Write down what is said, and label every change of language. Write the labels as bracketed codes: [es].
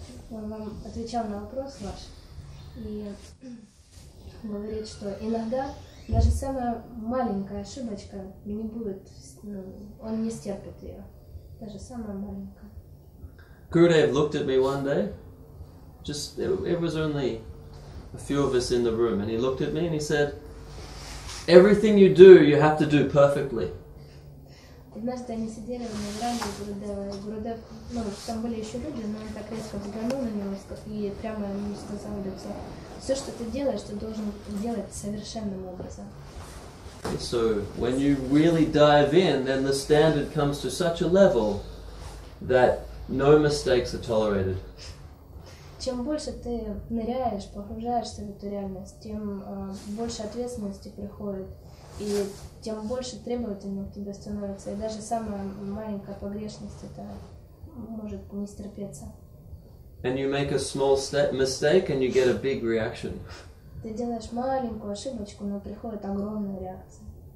[ru] Он вам отвечал на вопрос ваш и говорит, что иногда даже самая маленькая ошибочка не будет, ну, он не стерпит ее, даже самая маленькая. [en] Gurudev looked at me one day, just it was only a few of us in the room, and he looked at me and he said, "Everything you do, you have to do perfectly." [ru] Однажды они сидели в Мандранде, Гурудев, ну, там были еще люди, но он так резко взглянул на него и прямо ему сказал лицо: все, что ты делаешь, ты должен делать совершенным образом. [en] So when you really dive in, then the standard comes to such a level that no mistakes are tolerated. [ru] Чем больше ты ныряешь, погружаешься в эту реальность, тем больше ответственности приходит, и тем больше требовательно к тебе становится, и даже самая маленькая погрешность это может не стерпеться. [en] And you make a small mistake and you get a big reaction. [ru] Ты делаешь маленькую ошибочку, но приходит огромная реакция.